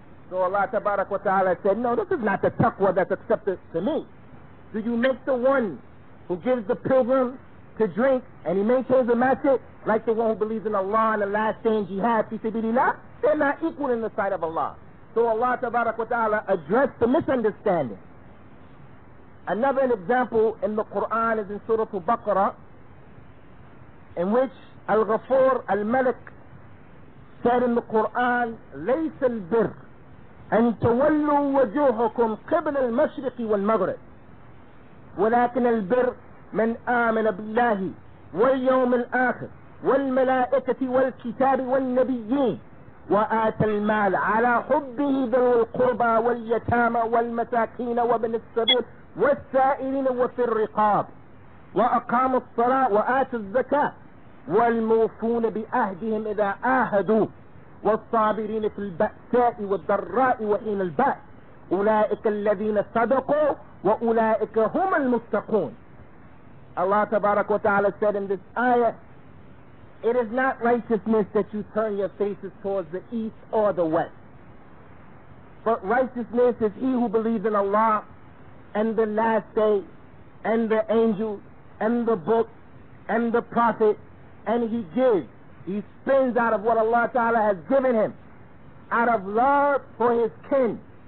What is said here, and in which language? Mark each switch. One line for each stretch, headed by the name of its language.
English: So Allah tabarak wa ta'ala said, no, this is not the taqwa that's accepted to me. Do you make the one who gives the pilgrim to drink and he maintains the masjid like the one who believes in Allah and the last day in jihad, fi sabilillah? They're not equal in the sight of Allah. So Allah tabarak wa ta'ala addressed the misunderstanding. Another example in the Quran is in Surah Al-Baqarah, in which Al-Ghafur Al-Malik said in the Quran,
Arabic: لَيْسَ الْبِرُّ أَن تَوَلُّوا وَجُوهَكُمْ قِبْلَ الْمَشْرِقِ وَالْمَغْرِبِ ولكن البر من آمن بالله واليوم الآخر والملائكة والكتاب والنبيين وآت المال على حبه ذوي القربى واليتامى والمساكين وابن السبيل والسائلين وفي الرقاب وأقام الصلاة وآت الزكاة والموفون بأهدهم إذا آهدوا والصابرين في البأساء والضراء وحين البأس أولئك الذين صدقوا وأولئك هم المتقون.
English: Allah tabarak wa ta'ala said in this ayah, it is not righteousness that you turn your faces towards the east or the west, but righteousness is he who believes in Allah and the last day and the angel and the book and the prophet, and he gives, he spends out of what Allah ta'ala has given him out of love for his kin